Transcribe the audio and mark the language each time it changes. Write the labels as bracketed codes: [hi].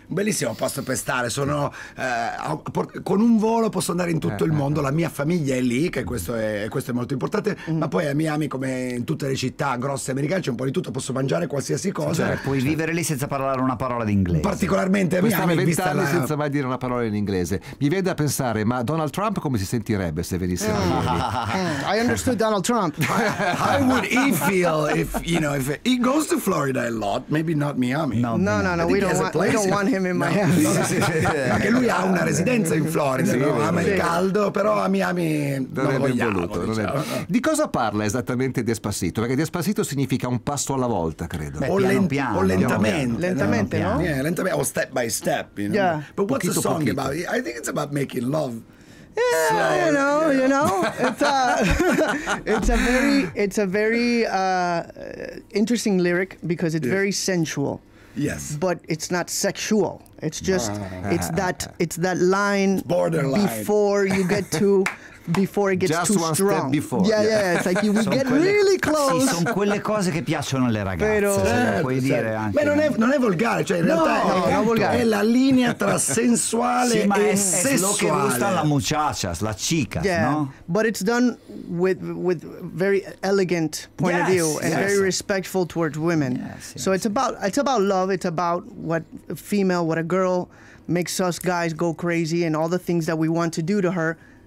[it] Bellissimo posto per stare, sono con un volo posso andare in tutto il mondo, la mia famiglia è lì, che questo è molto importante. Ma poi a Miami, come in tutte le città grosse americane, c'è un po' di tutto, posso mangiare qualsiasi cosa. Cioè, puoi vivere lì senza parlare una parola d'inglese, particolarmente a Miami, vent'anni senza mai dire una parola in inglese. Mi viene da pensare, ma Donald Trump come si sentirebbe se venisse a Miami? [en] I understood Donald Trump. How would he feel if, you know, if he goes to Florida a lot, maybe not Miami? No, we don't want I don't want him in Miami. [it] Ma che lui ha una residenza in Florida, sì, no? Ama il caldo, però a Miami non lo vogliamo, voluto, diciamo. Di cosa parla esattamente Despacito? Perché Despacito significa un passo alla volta, credo. Beh, piano, o lentamente. Lentamente, no? [en] Yeah, [it] lentamente, o [en] step by step, you know? Yeah. But what's the song about? I think it's about making love. Yeah, so, you know, it's a very interesting lyric, because it's very sensual. Yes, but it's not sexual. It's just it's that line, it's borderline, before you get to before it gets just too one strong. Step before. Yeah. It's like we get really close. [it] Sì, sono quelle cose che piacciono alle ragazze. Però, puoi dire anche. Ma non è volgare, cioè in realtà è la linea tra sensuale e sessuale. [es] Lo che gusta la muchacha, la chica, no? [en] But it's done with very elegant point of view and very respectful towards women. Yes, it's about love. It's about what a girl makes us guys go crazy and all the things that we want to do to her.